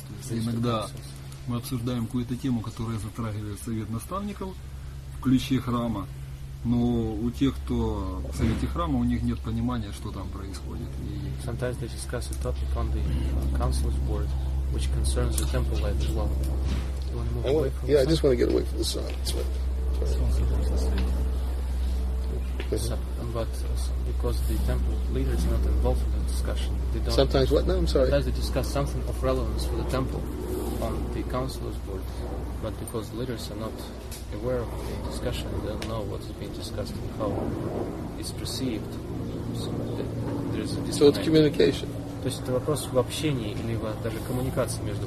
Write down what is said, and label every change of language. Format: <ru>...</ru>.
<ru>иногда мы обсуждаем какую-то тему, которая затрагивает совет наставников в ключе храма. Но у тех, кто в совете храма, у них нет понимания, что там происходит.</ru> <en>Sometimes they discuss a topic on the council's board, which concerns the temple life as well. I just want to get away from the sun. Because the temple leader is not involved in the discussion. They don't sometimes what? No, I'm sorry. Sometimes they discuss something of relevance for the temple on the council's board. But because the leaders are not aware of the discussion, they don't know what's being discussed and how it's perceived. So there's a disconnect. So it's communication.</en> <ru>То есть это вопрос в общении или даже коммуникации между</ru>